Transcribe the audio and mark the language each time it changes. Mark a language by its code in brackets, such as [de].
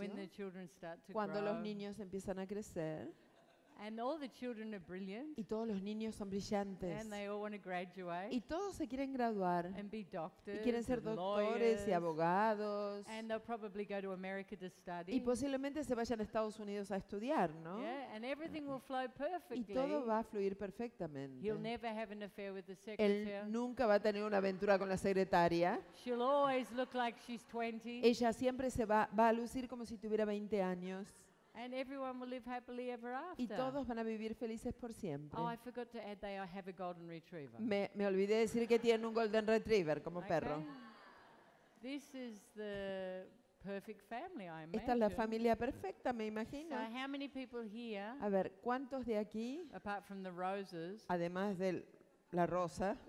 [en] When the children start to [es] cuando [en] grow. [es] Los niños empiezan a crecer. [en] And all the children are brilliant. [es] Y todos los niños son brillantes. [en] And they all want to graduate. [es] Y todos se quieren graduar. [en] And be doctors. [es] Y quieren ser doctores y abogados. [en] And they'll probably go to America to study. [es] Y posiblemente se vayan a Estados Unidos a estudiar, ¿no? [en] Yeah, and everything will flow perfectly. [es] Y todo va a fluir perfectamente. [en] He'll never have an affair with the secretary. [es] Él nunca va a tener una aventura con la secretaria. [en] She'll always look like she's 20. [es] Ella siempre se va a lucir como si tuviera 20 años. [en] And everyone will live happily ever after. [es] Y todos van a vivir felices por siempre. [en] Oh, I forgot to add they have a golden retriever. [es] Me olvidé decir que tienen un golden retriever como perro. [en] This is the perfect family, I imagine. [es] Esta es la familia perfecta, me imagino. [en] So how many people here? [es] A ver, ¿cuántos de aquí? [en] Apart from the roses. [es] Además de la rosa.